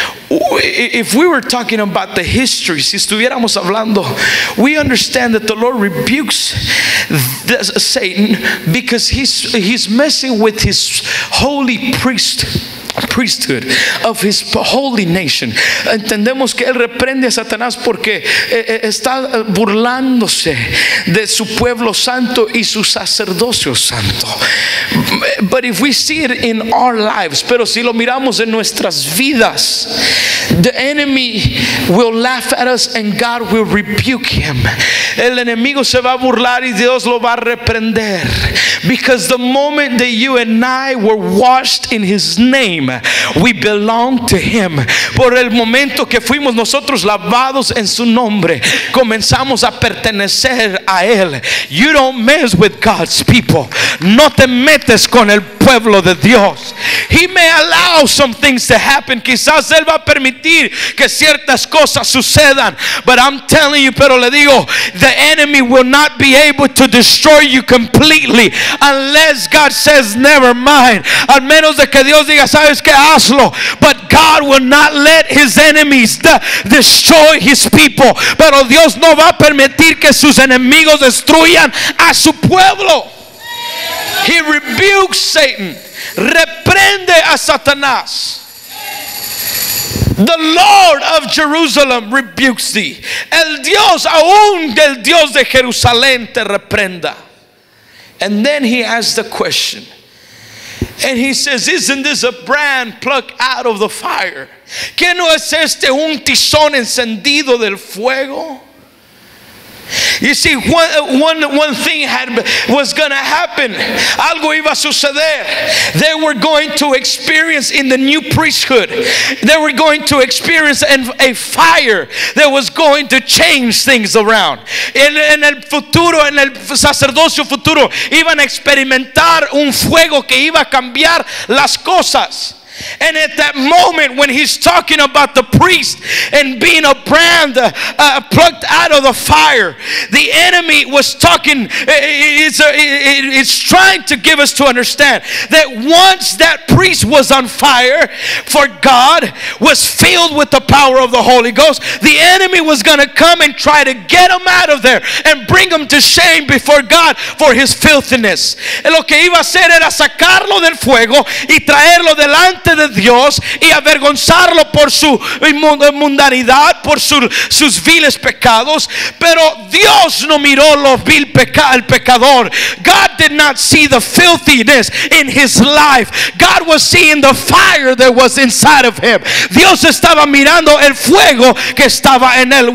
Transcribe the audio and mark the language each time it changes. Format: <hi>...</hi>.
<en>If we were talking about the history,</en> <es>si estuviéramos hablando,</es> <en>we understand that the Lord rebukes Satan because he's messing with his holy priesthood of his holy nation.</en> <es>Entendemos que él reprende a Satanás porque está burlándose de su pueblo santo y su sacerdocio santo.</es> <en>But if we see it in our lives,</en> <es>pero si lo miramos en nuestras vidas,</es> <en>the enemy will laugh at us and God will rebuke him.</en> <es>El enemigo se va a burlar y Dios lo va a reprender.</es> <en>Because the moment that you and I were washed in his name, we belong to him.</en> <es>Por el momento que fuimos nosotros lavados en su nombre, comenzamos a pertenecer a él.</es> <en>You don't mess with God's people.</en> <es>No te metes con el pueblo de Dios.</es> <en>He may allow some things to happen.</en> <es>Quizás él va a permitir que ciertas cosas sucedan.</es> <en>But I'm telling you,</en> <es>pero le digo,</es> <en>the enemy will not be able to destroy you completely unless God says never mind.</en> <es>Al menos de que Dios diga, sabes que hazlo.</es> <en>But God will not let his enemies destroy his people.</en> <es>Pero Dios no va a permitir que sus enemigos destruyan a su pueblo.</es> <en>He rebukes Satan.</en> <es>Reprende a Satanás.</es> <en>The Lord of Jerusalem rebukes thee.</en> <es>El Dios, aún del Dios de Jerusalén, te reprenda.</es> <en>And then he asks the question. And he says, isn't this a brand plucked out of the fire?</en> <es>¿Qué no es este un tizón encendido del fuego?</es> <en>You see, one thing was going to happen.</en> <es>Algo iba a suceder.</es> <en>They were going to experience in the new priesthood. They were going to experience a fire that was going to change things around.</en> <es>En el futuro, en el sacerdocio futuro, iban a experimentar un fuego que iba a cambiar las cosas.</es> <en>And at that moment when he's talking about the priest and being a brand plucked out of the fire, the enemy was talking, it's trying to give us to understand that once that priest was on fire for God, was filled with the power of the Holy Ghost, the enemy was going to come and try to get him out of there and bring him to shame before God for his filthiness.</en> <es>Lo que iba a hacer era sacarlo del fuego y traerlo delante delante de Dios y avergonzarlo por su mundanidad, por sus viles pecados. Pero Dios no miró lo vil el pecador.</es> <en>God did not see the filthiness in his life. God was seeing the fire that was inside of him.</en> <es>Dios estaba mirando el fuego que estaba en él.</es>